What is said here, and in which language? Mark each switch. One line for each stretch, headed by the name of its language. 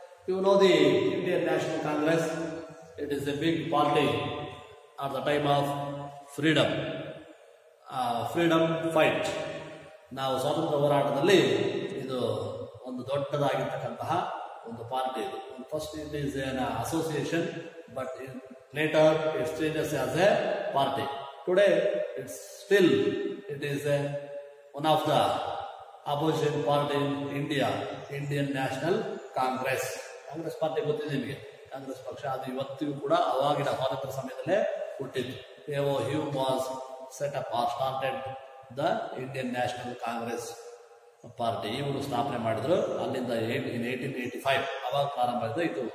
English: You know the Indian National Congress, it is a big party at the time of freedom, freedom fight.
Kannada: ನಾವು ಸ್ವಾತಂತ್ರ್ಯ ಹೋರಾಟದಲ್ಲಿ ಇದು ಒಂದು ದೊಡ್ಡದಾಗಿರ್ತಕ್ಕಂತಹ ಒಂದು ಪಾರ್ಟಿ ಇದು.
English: First it is an association, but later it changes as a party. Today it's still it is a one of the opposition party in India, Indian National Congress.
Kannada: Congress party ಗೊತ್ತಿದೆ ನಿಮಗೆ, ಕಾಂಗ್ರೆಸ್ ಪಕ್ಷ ಅದು ಇವತ್ತಿಗೂ ಕೂಡ ಅವಾಗಿನ ಸ್ವಾತಂತ್ರ್ಯ ಸಮಯದಲ್ಲೇ ಹುಟ್ಟಿತ್ತು.
English: Oh who was set up or started the Indian National Congress party.
Kannada: ಇವರು ಸ್ಥಾಪನೆ ಮಾಡಿದ್ರು ಅಲ್ಲಿಂದ 1885 ಅವಾಗ ಪ್ರಾರಂಭ ಆಯಿತು.